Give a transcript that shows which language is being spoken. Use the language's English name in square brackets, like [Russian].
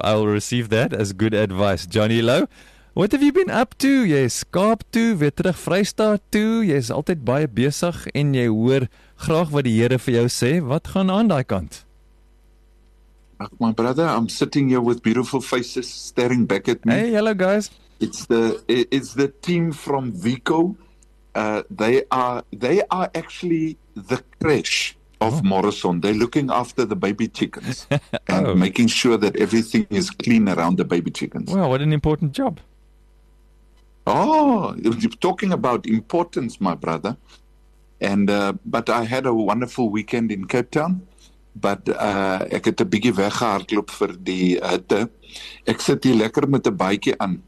[English] I'll receive that as good advice, Johnny Low. What have you been up to? Yes, [Afrikaans] Kaap toe, weer terug Vrystaat toe. Jy is altyd baie besig en jy hoor graag wat die Here vir jou sê. Wat gaan aan daai kant? [English] Ach, my brother, I'm sitting here with beautiful faces staring back at me. Hey, hello guys. It's the team from Vico. They are actually the crèche of Morrison. They're looking after the baby chickens and making sure that everything is clean around the baby chickens. Wow, what an important job. Oh, you're talking about importance, my brother. But I had a wonderful weekend in Cape Town. [Afrikaans] But ek het 'n bietjie weggehardloop vir die hitte. Ek sit hier lekker met 'n baadjie aan.